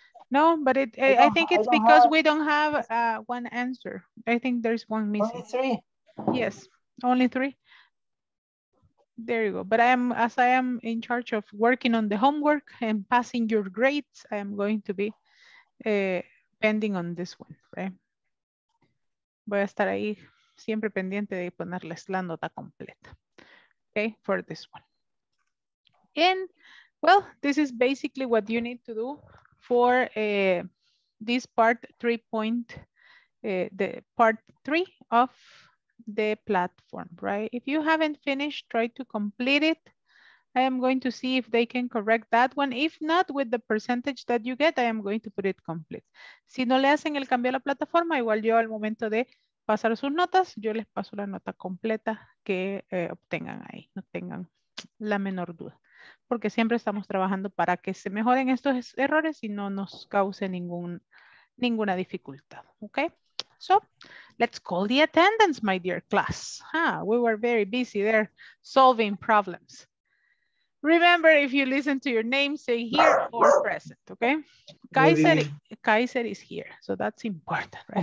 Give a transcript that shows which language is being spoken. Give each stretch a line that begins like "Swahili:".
English: No, but it, I think it's because we don't have one answer. I think there's one missing. Only three. Yes, only three. There you go. But I am, as I am in charge of working on the homework and passing your grades, I am going to be pending on this one, right?
Spanish: Voy a estar ahí siempre pendiente de ponerles la nota completa.
English: Okay, for this one. And, well, this is basically what you need to do for this part 3 point, the part three of the platform, right? If you haven't finished, try to complete it. I am going to see if they can correct that one. If not, with the percentage that you get, I am going to put it complete.
Spanish: Si no le hacen el cambio a la plataforma, igual yo al momento de pasar sus notas, yo les paso la nota completa que obtengan ahí. No tengan la menor duda. Porque siempre estamos trabajando para que se mejoren estos errores y no nos cause ninguna dificultad.
English: Okay? So, let's call the attendance, my dear class. We were very busy there solving problems. Remember, if you listen to your name, say here or present, okay? Kaiser, Kaiser is here, so that's important, right?